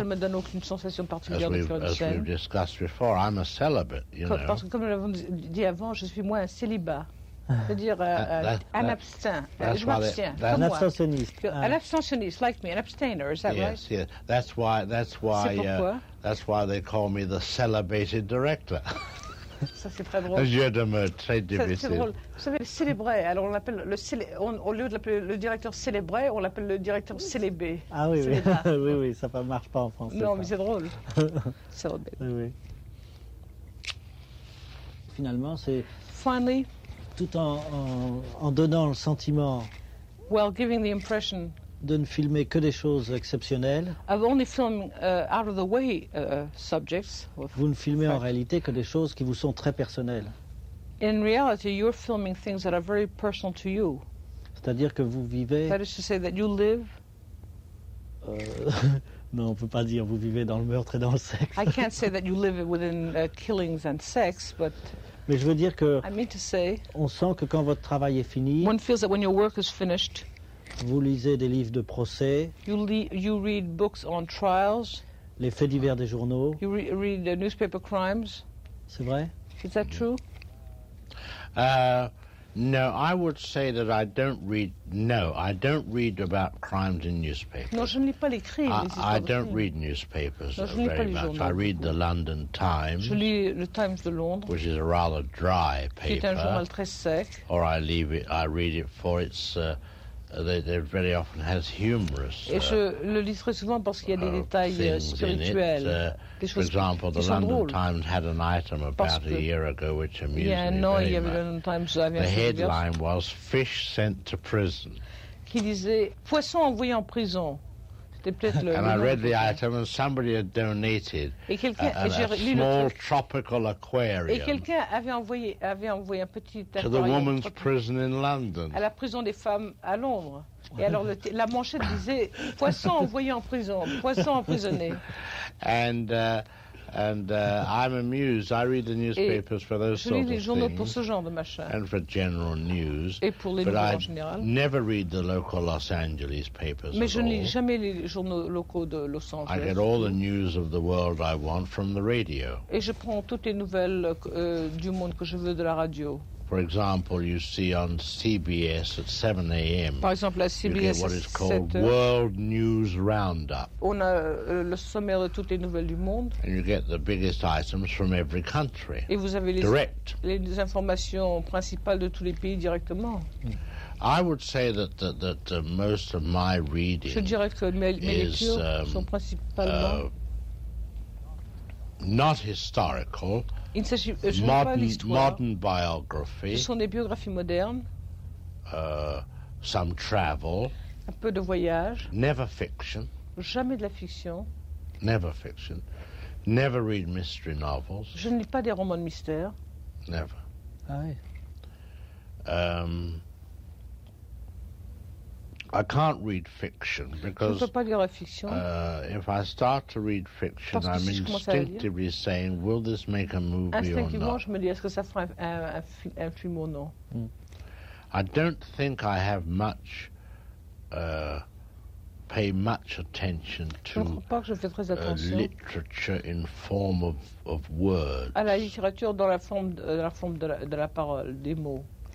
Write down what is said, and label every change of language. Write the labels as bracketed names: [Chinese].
[French] Ça ne me donne aucune sensation particulière de faire une [English] As we've discussed before, I'm a celibate, you know. [French] Parce que comme nous l'avons dit avant, je suis moi un célibat. C'est-à-dire un abstain. Je m'abstiens. Un abstentionniste. [English] An abstentionniste, like me, an abstainer, is that yes, right? Yes, yes. That's why. [French] C'est pourquoi? [English] That's why they call me the celibated director. [French] Ça, c'est très drôle. C'est drôle. Vous savez, le célébré, alors on l'appelle le au lieu de l'appeler le directeur célébré, on l'appelle le directeur célébé. Ah oui, oui. Oui, oui, ça ne marche pas en français. Non, ça. Mais c'est drôle. Célébé. Oui, oui. Finalement, c'est. [English] Finally. [French] Tout en donnant le sentiment. [English] Well, giving the impression. [French] De ne filmer que des choses exceptionnelles. [English] I've only filmed out of the way subjects. [French] Vous ne filmez en réalité que des choses qui vous sont très personnelles. [English] In reality, you're filming things that are very personal to you. [French] C'est-à-dire que vous vivez. [English] That is to say that you live. [French] Non, on peut pas dire vous vivez dans le meurtre et dans le sexe. [English] I can't say that you live within killings and sex, but. [French] Mais je veux dire que. [English] I mean to say. [French] On sent que quand votre travail est fini. [English] One feels that when your work is finished. [French] Vous lisez des livres de procès. [English] You read books on trials. [French] Les faits divers des journaux. [English] You read the newspaper crimes. [French] C'est vrai? [English] Is that true? No, I would say that I don't read. No, I don't read about crimes in newspapers. [French] Non, je ne lis pas les crimes. [English] I don't read newspapers very much. I read the London Times. [French] Je lis le Times de Londres. [English] Which is a rather dry paper. [French] C'est un journal très sec. [English] Or I read it for its. that very often has humorous. [French] Et je le lis très souvent parce qu'il y a des détails spirituels. [English] For example, the London Times had an item about a year ago which amused me. [French] Il y avait le London Times. [English] The headline was "Fish sent to prison." [French] Qui disait poisson envoyé en prison. [English] And I read the item, and somebody had donated a small tropical aquarium. [French] Et quelqu'un avait envoyé un petit aquarium [English] to the woman's prison in London. [French] À la prison des femmes à Londres. Et alors la manchette disait poisson envoyé en prison, poisson emprisonné. [English] I'm amused. I read the newspapers for those sort of things. [French] Je lis les journaux pour ce genre de machin. [English] And for general news. [French] Et pour les nouvelles en général. [English] But I never read the local Los Angeles papers. [French] Mais je ne lis jamais les journaux locaux de Los Angeles. [English] I get all the news of the world I want from the radio. [French] Et je prends toutes les nouvelles du monde que je veux de la radio. [English] For example, you see on CBS at 7 a.m. [French] Par exemple, à CBS, [English] you get what is called World News Roundup. [French] On a le sommaire de toutes les nouvelles du monde. [English] And you get the biggest items from every country. [French] Et vous avez direct. Les informations principales de tous les pays directement. [English] I would say that most of my reading [French] je dirais que mes lectures sont principalement [English] not historical. [French] Il s'agit [English] modern biography. [French] Ce sont des biographies modernes. [English] Some travel. [French] Un peu de voyage. [English] Never fiction. [French] Jamais de la fiction. [English] Never fiction. Never read mystery novels. [French] Je ne lis pas des romans de mystère. [English] Never. [French] Ah oui. [English] I can't read fiction because [French] je peux pas lire la fiction. [English] If I start to read fiction, [French] si [English] I'm instinctively saying, will this make a movie or not? [French] Instinctivement, je me dis, est-ce que ça fera un film ou non? [English] I don't think I have much, pay much attention to literature in form of words. [French] À la littérature dans la forme de la parole, des mots.